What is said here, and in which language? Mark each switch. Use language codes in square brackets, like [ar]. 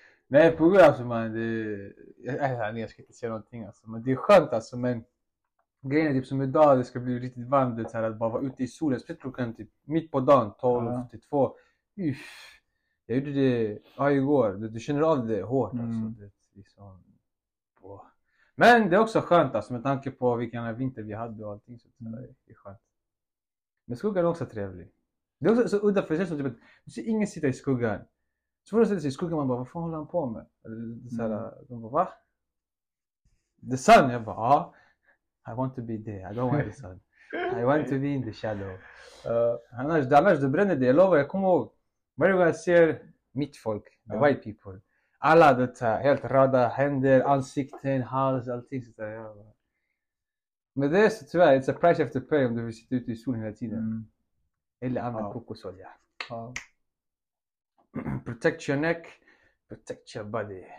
[sv] Nej, på grund av att man, jag ska inte säga någonting alltså, men det är skönt alltså, men grejen är typ som idag, det ska bli riktigt varmt, det här att bara vara ute i solen, speciellt klockan typ mitt på dagen, 12-2, jag gjorde det, igår, du känner av det hårt alltså, det är liksom, men det är också skönt alltså, med tanke på vilken vinter vi hade och allting, så det är skönt, men skuggan är också trevlig, det är också så udda, för det känns som typ att du ser ingen sitta i skuggan. Så får du sätta sig i skuggan, man bara, vad fan håller han på med? Eller såhär, de bara, va? [en] The sun, [sv] jag bara, ja. [en] I want to be there, I don't want the sun. I want to be in the shadow. [sv] Annars du bränner det, jag lovar, jag kommer ihåg. Varje gång jag ser mitt folk, [en] the white people. [sv] Alla det här, helt röda händer, ansikten, hals, allting sådär. Men det är så tyvärr, [en] it's a price after pay [sv] om du vill sitta ute i solen hela tiden. Eller annan kokosolja. [en] Protect your neck, protect your body.